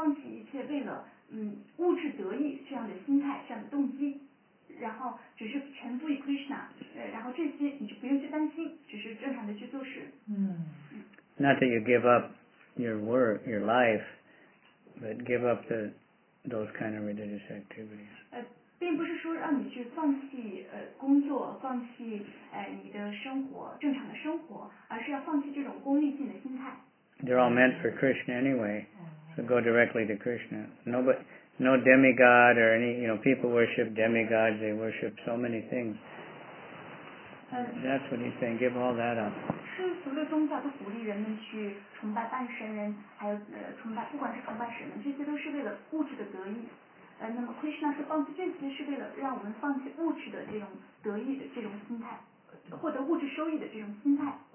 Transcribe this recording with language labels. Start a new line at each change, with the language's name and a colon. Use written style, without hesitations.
Chinese: 第一层意思就是说放弃所有世俗的宗教，第二层意思就是说放弃一切为了物质得意这样的心态，这样的动机，然后只是臣服于 Krishna， 然后这些你就可以得到了。专心，只是正常的去做事。
English: Not that you give up your work, your life, but give up the, those kind of religious activities.
Chinese: 并不是说让你去放弃工作，放弃你的生活，正常的生活，而是要放弃这种功利性的心态。
English: They're all meant for Krishna anyway, so go directly to Krishna. No demigod or any, you know, people worship demigods, they worship so many things. That's what he's saying, give all that up.
Chinese: 世俗的宗教都鼓励人们去崇拜半神人，还有崇拜，不管是崇拜神人，这些都是为了物质的得意。那么 Krishna 说放弃这些是为了让我们放弃物质的这种得意的这种心态，获得物质收益的这种心态。